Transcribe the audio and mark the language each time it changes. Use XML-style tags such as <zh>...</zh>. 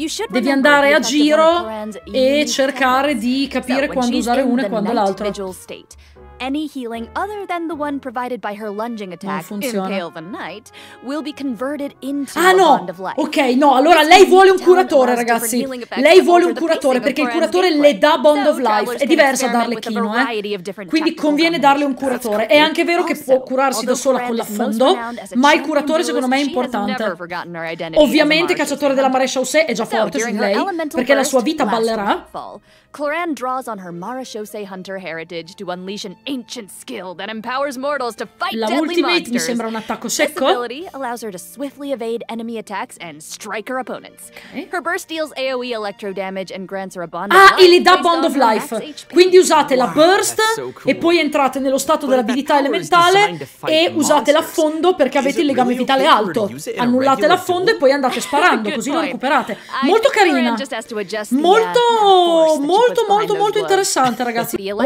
<it>Devi andare a giro e cercare di capire quando usare uno e quando l'altro.</it> <en>Any healing other than the one provided by her lunging attack, Impale the Knight, will be converted into a Bond of Life.</en> <it>Ok, no, allora lei vuole un curatore, ragazzi. Lei vuole un curatore perché il curatore le dà Bond of Life. È diversa da Arlecchino, Quindi conviene darle un curatore. È anche vero che può curarsi da sola con l'affondo, ma il curatore secondo me è importante. Ovviamente Cacciatore della Maréchaussée è già forte su lei, perché la sua vita ballerà.</it> <en>Clorinde draws on her Maréchaussée hunter heritage to unleash an ancient skill that empowers mortals to fight</en> <it>la</it> <en>deadly ultimate monsters.</en> <it>Mi sembra un attacco secco.</it> <en>This ability allows her to swiftly evade enemy attacks and strike her opponents. Her burst deals AoE electro damage and grants her a bond of life.</en> <it>Ah, e le dà bond of life. Quindi usate la burst e poi entrate nello stato dell'abilità elementale e usate l'affondo perché avete il legame vitale alto. Annullate l'affondo e poi andate sparando, così lo recuperate. Molto carina. Molto, molto, molto, molto interessante, ragazzi.</it>